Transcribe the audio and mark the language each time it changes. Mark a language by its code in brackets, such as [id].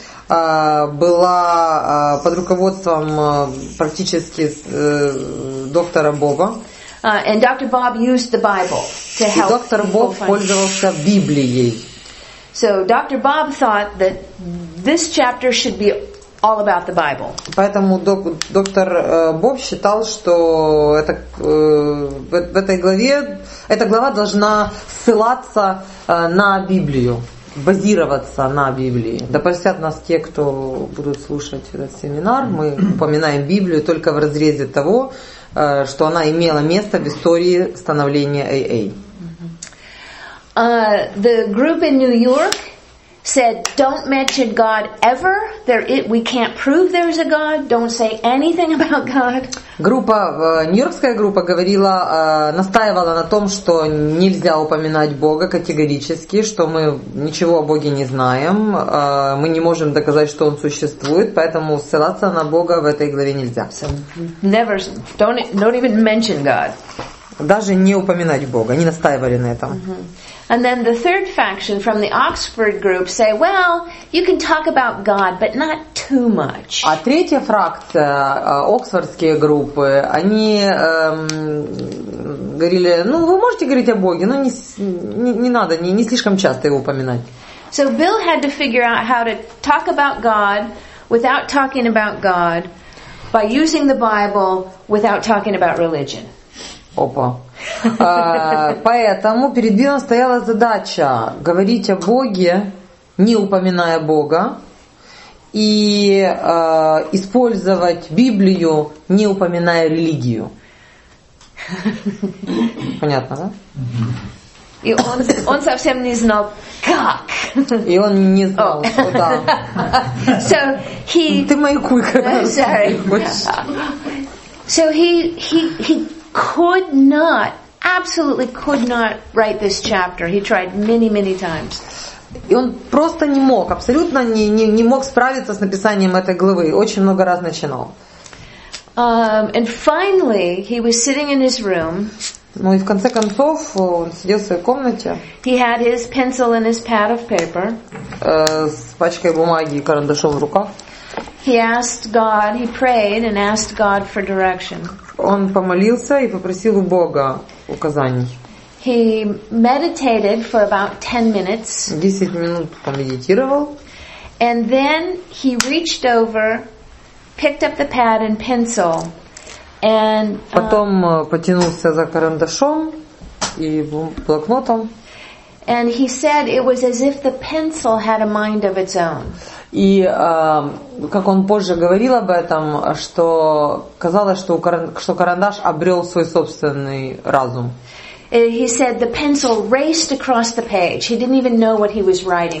[ru] Была под руководством практически доктора Боба. [en] And Dr. Bob used the Bible to help. [ru] И доктор Боб пользовался Библией. [en] So Dr. Bob thought that this chapter should be all about the Bible. [ru] Поэтому доктор Боб считал, что в этой главе эта глава должна ссылаться на Библию, базироваться на Библии. Да простят нас те, кто будут слушать этот семинар. Мы упоминаем Библию только в разрезе того, что она имела место в истории становления AA. [en] The group in New York said, "Don't mention God ever. We can't prove there's a God. Don't say anything about God." [ru] Группа, нью-йоркская группа говорила, настаивала на том, что нельзя упоминать Бога категорически, что мы ничего о Боге не знаем, мы не можем доказать, что Он существует, поэтому ссылаться на Бога в этой главе нельзя. [en] So, never, don't even mention God. [ru] Даже не упоминать Бога, они настаивали на этом. [en] And then the third faction from the Oxford group say, "Well, you can talk about God, but not too much." [ru] А третья фракция, оксфордские группы, они говорили: "Ну, вы можете говорить о Боге, но не надо, не слишком часто его упоминать." [en] So Bill had to figure out how to talk about God without talking about God by using the Bible without talking about religion. [ru] Опа. Поэтому перед Биллом стояла задача говорить о Боге, не упоминая Бога, и использовать Библию, не упоминая религию. Понятно, да? И он совсем не знал, как. И он не знал, куда. [en] So he. [ru] Ты мою куйку. [en] Sorry. So he could not. Absolutely could not write this chapter. He tried many, many times. [ru] И он просто не мог, абсолютно не мог справиться с написанием этой главы. Очень много раз начинал. [en] And finally, he was sitting in his room. [ru] Ну и в конце концов он сидел в своей комнате. [en] He had his pencil and his pad of paper. [ru] С пачкой бумаги и карандашом в руках. [en] He asked God. He prayed and asked God for direction. [ru] Он помолился и попросил у Бога указаний. [en] He meditated for about 10 minutes. [ru] 10 минут помедитировал. [en] And then he reached over, picked up the pad and pencil, and [ru] потом потянулся за карандашом и блокнотом. [en] And he said it was as if the pencil had a mind of its own. [ru] И как он позже говорил об этом, что казалось, что карандаш обрел свой собственный разум. [en] He said the pencil raced across the page. He didn't even know what he was writing.